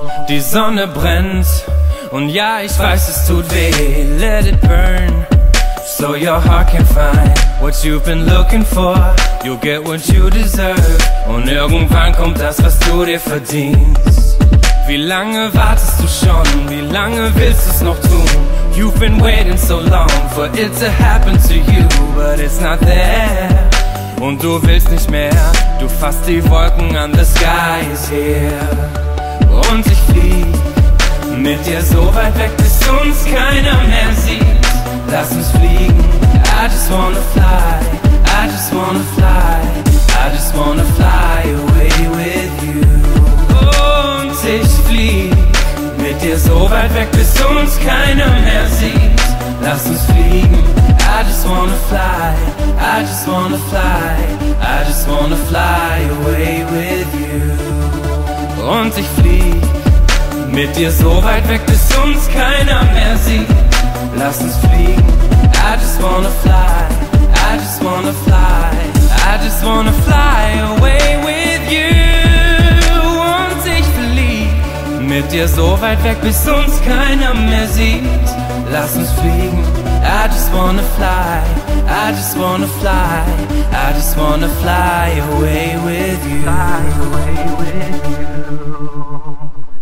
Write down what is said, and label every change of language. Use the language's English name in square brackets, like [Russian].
[German] Die Sonne brennt und ja, ich weiß, es tut weh. [English] Let it burn, so your heart can find what you've been looking for. You'll get what you deserve [German] und irgendwann kommt das, was du dir verdienst. Wie lange wartest du schon? Wie lange willst du es noch tun? [English] You've been waiting so long for it to happen to you, but it's not there. [German] Und du willst nicht mehr, du fasst die Wolken an, [English] the sky is here. [German] Und ich flieg mit dir so weit weg, bis uns keiner mehr sieht. Lass uns fliegen, [English] I just wanna fly, I just wanna fly, I just wanna fly away with you. [German] Und ich flieg mit dir so weit weg, bis uns keiner mehr sieht. Lass uns fliegen, [English] I just wanna fly. I just wanna fly, I just wanna fly away with you. [German] Und ich flieg mit dir so weit weg, bis uns keiner mehr sieht. Lass uns fliegen, [English] I just wanna fly, I just wanna fly, I just wanna fly away with you. [German] Und ich flieg mit dir so weit weg, bis uns keiner mehr sieht. Lass uns fliegen, [English] I just wanna fly. I just wanna fly, I just wanna fly away with you. Fly away with you.